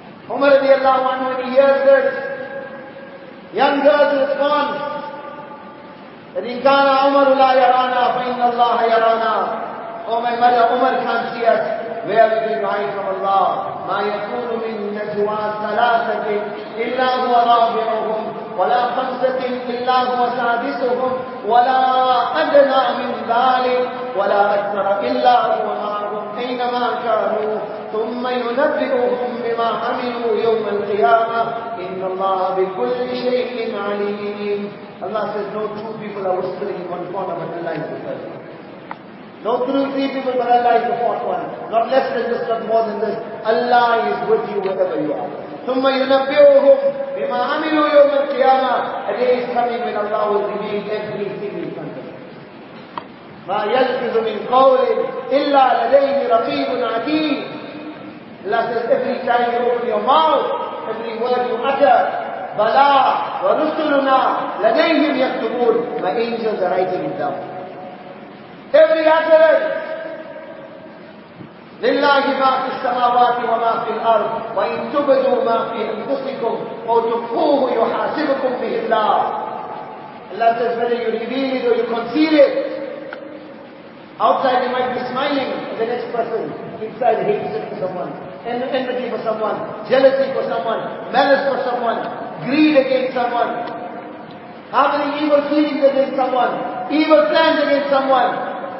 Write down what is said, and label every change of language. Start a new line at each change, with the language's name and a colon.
English: Umar radiallahu anhu, when he hears this, young girl's response, that
Arabic: in kana Umar la yarana fa inna Allah yarana.
English: Oh my mother, Umar can't see us. Where are we going from Allah?
Arabic: Ma yakunu min najwa salasatin illa huwa rabi'uhum. ولا خمسة إلا هو سادسهم ولا أدنى من ذلك ولا أكثر إلا هو معهم أينما كانوا ثم ينبئهم بما عملوا يوم القيامة إن الله بكل شيء عليم.
English: Allah says no two people are whispering in one corner but Allah is with them. No three people but Allah is the fourth one. Not less than this, not more than this. Allah is with you wherever you are.
Arabic: ثم ينبئهم بما عملوا يوم القيامة.
English: A day is coming when Allah will reveal everything in front of
Arabic: ما يلفظ من قول إلا لديه رقيب عتيد.
English: Allah says every time you open your mouth, every word you utter,
Arabic: بلا ورسلنا لديهم يكتبون.
English: My angels are writing it down. Every utterance.
Arabic: لله ما في السماوات وما في الأرض وإن تبدوا ما في أنفسكم أو تخفوه يحاسبكم به الله.
English: Allah says whether you reveal it or you conceal it, outside they might be smiling at the next person, inside hatred for someone, enmity for someone, jealousy for someone, malice for someone, greed against someone, having evil feelings against someone, evil plans against someone.